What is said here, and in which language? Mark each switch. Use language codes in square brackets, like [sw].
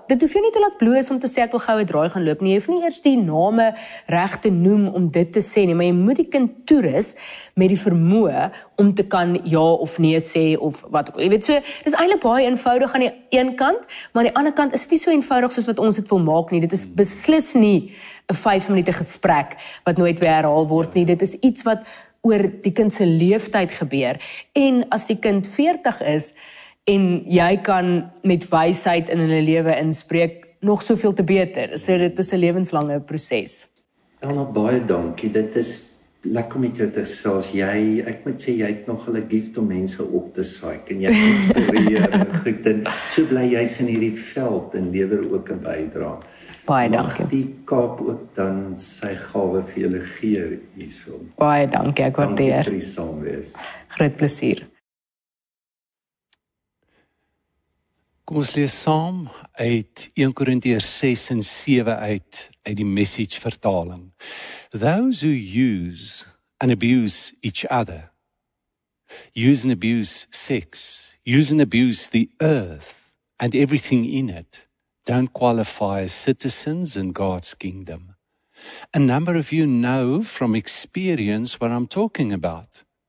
[af] Dit hoef jy nie te laat bloos om te sê ek wil gou 'n draai gaan loop nie. Jy hoef nie eers die name reg te noem om dit te sê nie, maar jy moet die kind toerus met die vermoë om te kan ja of nee sê of wat ook. Jy weet, so dis eintlik baie eenvoudig aan die een kant, maar aan die ander kant is dit nie so eenvoudig soos wat ons dit wil maak nie. Dit is beslis nie 'n 5 minute gesprek wat nooit weer herhaal word nie. Dit is iets wat oor die kind se leeftyd gebeur. En as die kind 40 is en jy kan met wysheid in hulle lewe inspreek, nog soveel te beter. So dit is 'n lewenslange proses. Elna, baie dankie. Dit is lekker om met jou te sels. Jy, ek moet sê, jy het nog 'n gift om mense op te saak en jy inspireer. Goed, en so bly jy's in hierdie veld en lewer ook 'n bydrae. Baie dankie. Mag die Kaap ook dan sy gawe vir julle gee hierso. Baie dankie, ek waardeer. Dankie vir die saamwees. Groot plesier. Kom ons lees saam uit 1 Korintiërs 6 en 7 uit die Message vertaling. [en] Those who use and abuse each other, use and abuse sex, use and abuse the earth and everything in it, don't qualify as citizens in God's kingdom. A number of you know from experience what I'm talking about.